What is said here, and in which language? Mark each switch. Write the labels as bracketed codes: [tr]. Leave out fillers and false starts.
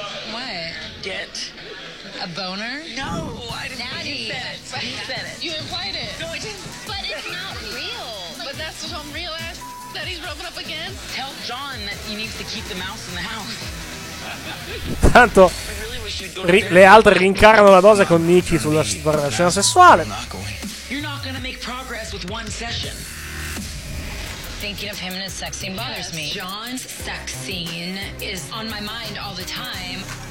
[en] What? Get... A boner? No, I didn't... Daddy. He said it. He said it. You implied it. No, I didn't. But it's not real. Like, but that's what I'm real ass. That he's broken up again. Tell John that he needs to keep the mouse in the house. [it] Tanto le altre rincarano la dose con Nikki sulla scena sessuale. [en] You're not gonna make progress with one session. Thinking of him in a sex scene bothers me. John's sex scene is on my mind all the time.